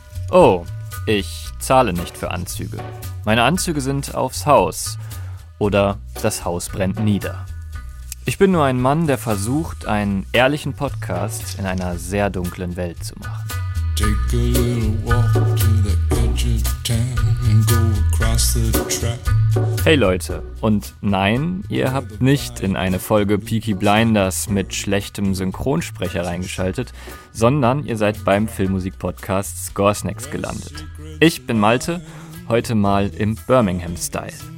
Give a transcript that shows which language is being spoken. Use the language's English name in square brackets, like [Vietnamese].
[German] Oh, ich zahle nicht für Anzüge. Meine Anzüge sind aufs Haus. Oder das Haus brennt nieder. Ich bin nur ein Mann, der versucht, einen ehrlichen Podcast in einer sehr dunklen Welt zu machen. [English] Take a little walk to the edge of town and go across the track. [German] Hey Leute, und nein, ihr habt nicht in eine Folge Peaky Blinders mit schlechtem Synchronsprecher reingeschaltet, sondern ihr seid beim Filmmusik-Podcast Scoresnacks gelandet. Ich bin Malte, heute mal im Birmingham-Style.